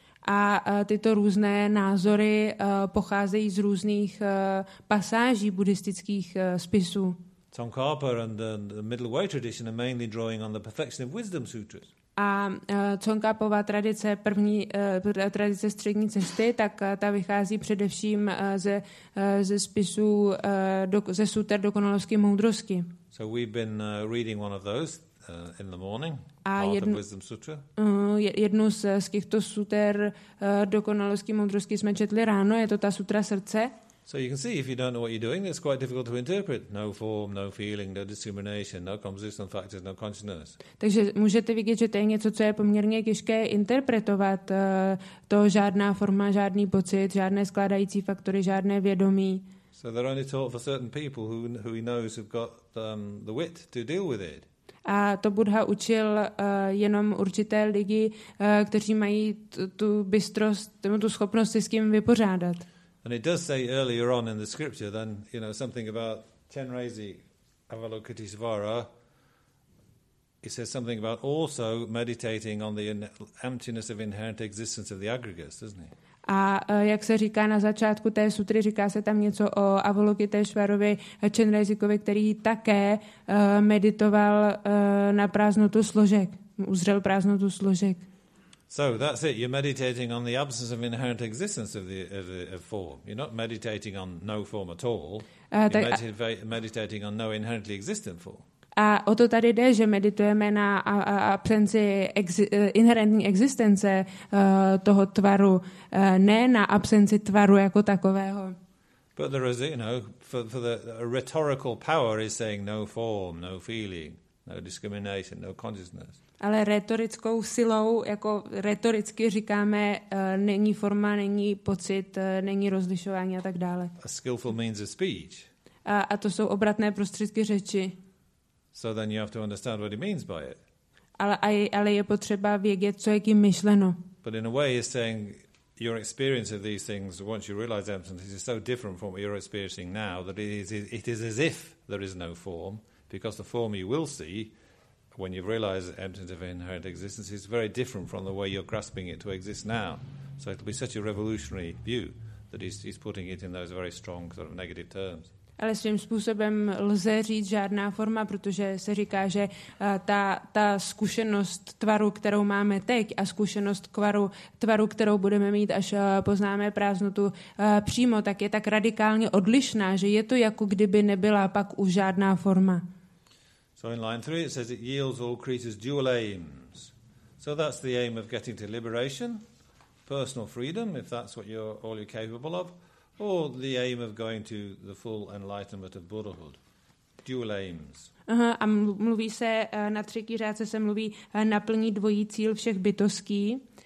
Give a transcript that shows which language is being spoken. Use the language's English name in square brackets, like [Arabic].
[Czech] A tyto různé názory pocházejí z různých pasáží buddhistických spisů. [English] Tsongkhapa and the Middle Way tradition are mainly drawing on the Perfection of Wisdom sutras. [Czech] A Tsongkhapova tradice, první tradice střední cesty, tak ta vychází především ze spisů, ze sutr dokonalosti moudrosti. [English] So we've been reading one of those in the morning, part of Wisdom Sutra. [Czech] Jednu z těchto sutr dokonalosti moudrosti jsme četli ráno, je to ta sutra srdce. [English] So you can see, if you don't know what you're doing, it's quite difficult to interpret. No form, no feeling, no discrimination, no composition factors, no consciousness. [Czech] Takže můžete vidět, že to je něco, co je poměrně těžké interpretovat. To žádná forma, žádný pocit, žádné skládající faktory, žádné vědomí. [English] So they're only taught for certain people who he knows have got the wit to deal with it. [Czech] A to Buddha učil jenom určité lidi, kteří mají tu bystrost, tu schopnost si s tím vypořádat. [English] And it does say earlier on in the scripture, then, you know, something about Chenrezig Avalokiteshvara. It says something about also meditating on the emptiness of inherent existence of the aggregates, doesn't it? [Czech] A jak se říká na začátku té sutry, říká se tam něco o Avalokiteshvarovi Chenrezigovi, který také meditoval na prázdnotu složek, uzřel prázdnotu složek. [English] So that's it. You're meditating on the absence of inherent existence of the form. You're not meditating on no form at all. You're meditating on no inherently existent form. [Czech] A o to tady jde, že meditujeme na absenci inherentní existence toho tvaru, ne na absenci tvaru jako takového. [English] But there is, you know, for the rhetorical power is saying no form, no feeling, no discrimination, no consciousness. [Czech] Ale retorickou silou, jako retoricky říkáme, není forma, není pocit, není rozlišování a tak dále. [English] A skillful means of speech. [Czech] A to jsou obratné prostředky řeči. [English] So then you have to understand what he means by it. [Czech] Ale je potřeba vědět, co je tím myšleno. [English] But in a way he's saying your experience of these things once you realize them is so different from what you're experiencing now that it is as if there is no form, because the form you will see when you realize the emptiness of inherent existence is very different from the way you're grasping it to exist now. So it'll be such a revolutionary view that he's putting it in those very strong sort of negative terms. [Czech] Ale svým způsobem lze říct žádná forma, protože se říká, že ta zkušenost tvaru, kterou máme teď, a zkušenost tvaru, kterou budeme mít, až poznáme prázdnotu přímo, tak je tak radikálně odlišná, že je to jako kdyby nebyla pak už žádná forma. [English] So in line 3 it says it yields all creatures dual aims. So that's the aim of getting to liberation, personal freedom, if that's what all you're capable of, or the aim of going to the full enlightenment of Buddhahood. Dual aims. [Czech] A mluví se na třetí řádce se mluví naplní dvojí cíl všech bytostí.